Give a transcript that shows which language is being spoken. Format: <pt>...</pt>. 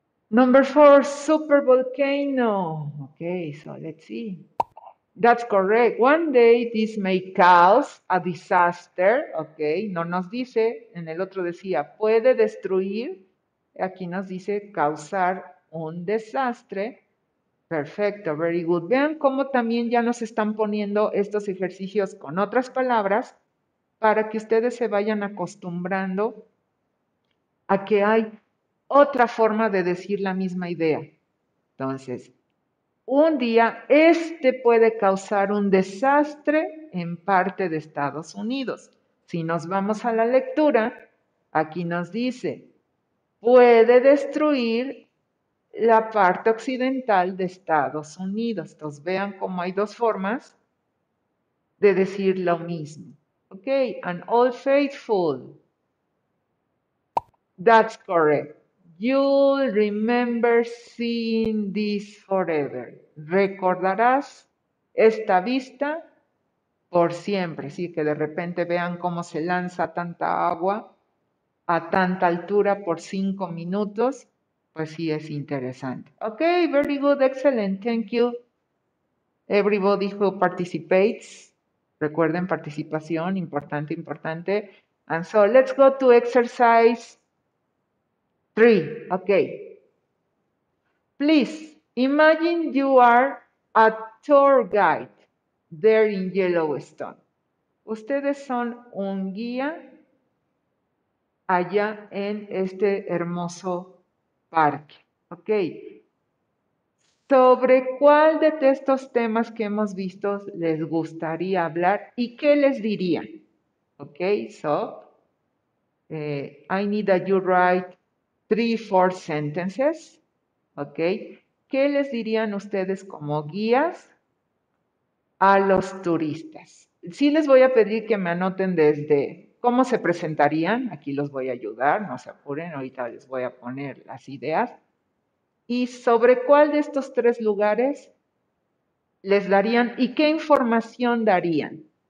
<en>Number four, super volcano. Okay, so let's see. That's correct. One day this may cause a disaster.</en> <es>Okay, no nos dice, en el otro decía, puede destruir. Aquí nos dice causar un desastre. Perfecto,</es> <en>very good.</en> <es>Vean cómo también ya nos están poniendo estos ejercicios con otras palabras para que ustedes se vayan acostumbrando a que hay otra forma de decir la misma idea. Entonces, un día este puede causar un desastre en parte de Estados Unidos. Si nos vamos a la lectura, aquí nos dice, puede destruir la parte occidental de Estados Unidos. Entonces, vean cómo hay dos formas de decir lo mismo.</es> <en>Ok, and all faithful. That's correct. You'll remember seeing this forever.</en> <es>Recordarás esta vista por siempre. Así que de repente vean cómo se lanza tanta agua a tanta altura por 5 minutos. Pues sí, es interesante.</es> <en>Ok, very good, excellent, thank you. Everybody who participates.</en> <es>Recuerden, participación, importante, importante.</es> <en>And so let's go to exercise. Three, okay. Please imagine you are a tour guide there in Yellowstone.</en> <es>Ustedes son un guía allá en este hermoso parque, okay. ¿Sobre cuál de estos temas que hemos visto les gustaría hablar y qué les diría?</es> <en>Okay, so I need that you write three, four sentences. ¿Ok?</en> <es>¿Qué les dirían ustedes como guías a los turistas? Sí les voy a pedir que me anoten desde cómo se presentarían. Aquí los voy a ayudar, no se apuren, ahorita les voy a poner las ideas. ¿Y sobre cuál de estos tres lugares les darían y qué información darían?</es>